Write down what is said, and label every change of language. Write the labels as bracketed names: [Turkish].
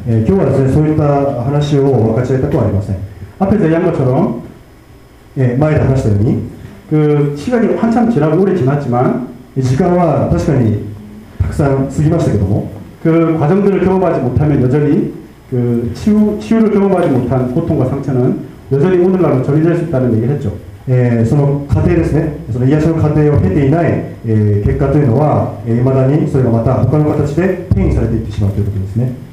[Japanese] 今日はですねそういった話を分かち合いたくはありません [Korean] 앞에서얘기한것처럼 [Japanese] 前で話したように [Korean] 그시간이한참지나고오래지났지만 [Japanese] 時間は確かにたくさん過ぎましたけども [Korean] 그과정들을경험하지못하면여전히그치유를경험하지못한고통과상처는여전히오늘날로전이될수있다는얘기를했죠 [Japanese] その過程ですねその癒しの過程を経ていない結果というのは未だにそれがまた他の形で変異されていってしまうということですね